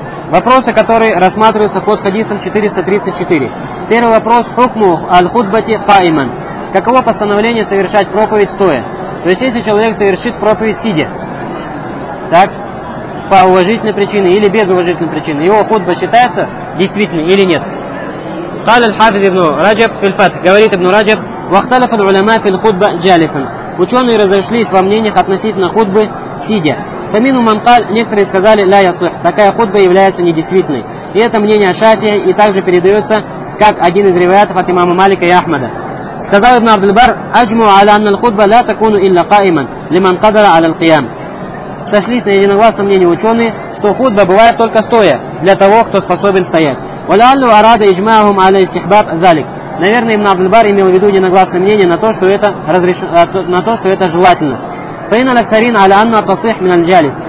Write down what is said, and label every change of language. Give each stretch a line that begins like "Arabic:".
Russian: Вопросы, которые рассматриваются под хадисом 434. Первый вопрос. Хукму аль-худбати кайман. Каково постановление совершать проповедь стоя? То есть, если человек совершит проповедь сидя, так, по уважительной причине или без уважительной причины, его худба считается действительной или нет?
Arabic: قال الحافظ ابن رجب في الفتح
Russian: говорит
Arabic: ابن رجب واختلف العلماء في الخطبة جالسا.
Russian: Ученые разошлись во мнениях относительно худбы сидя.
Arabic: فمن من قال
Russian: некоторые сказали
Arabic: لا يصح.
Russian: Такая худба является недействительной. И это мнение Шафии и также передается как один из ревиатов от имама Малика и Ахмада. Сказал
Arabic: ابن عبد البر أجمع على أن الخطبة لا تكون إلا قائما لمن قدر على القيام.
Russian: Сошлись на единогласном мнении ученые, что худба бывает только стоя для того, кто способен стоять.
Arabic: وَلَعَلُّ أَرَادَ إِجْمَاهُمْ عَلَى إِسْتِحْبَابْ ذَلِكْ.
Russian: Наверное, ابن عبد البر имел в виду единогласное мнение на то, что это желательно.
Arabic: فَإِنَ الْأَكْثَرِينَ عَلَى أَنَّ التَّصْحِيحَ مِنَ الْجَالِسِ.